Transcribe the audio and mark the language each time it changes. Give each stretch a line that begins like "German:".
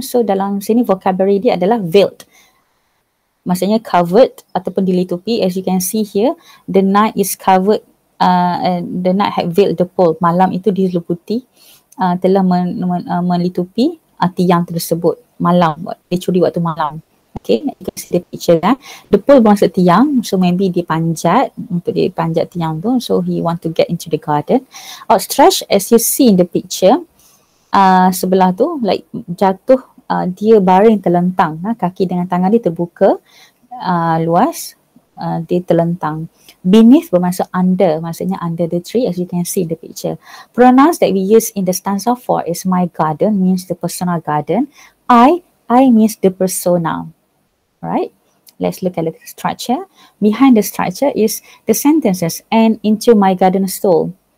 Malay: So dalam sini vocabulary dia adalah veiled. Maksudnya covered ataupun dilitupi.
English: As you can see here, the night is covered, the night had veiled the pole.
Malay: Malam itu diliputi, telah melitupi tiang tersebut. Malam, dia curi waktu malam.
English: Okay, you can see the picture.
Malay: Eh? The pole bermaksud tiang, so maybe dia panjat, untuk dia panjat tiang tu.
English: So he want to get into the garden. Outstretched, as you see in the picture,
Malay: sebelah tu, like jatuh, dia baring terlentang. Eh? Kaki dengan tangan dia terbuka, luas, dia terlentang.
English: Beneath
Malay: bermaksud under, maksudnya
English: under the tree, as you can see in the picture. Pronouns that we use in the stanza for is my garden, means the personal garden. I means the persona, right? Let's look at the structure. Behind the structure is the sentences and into my garden stole.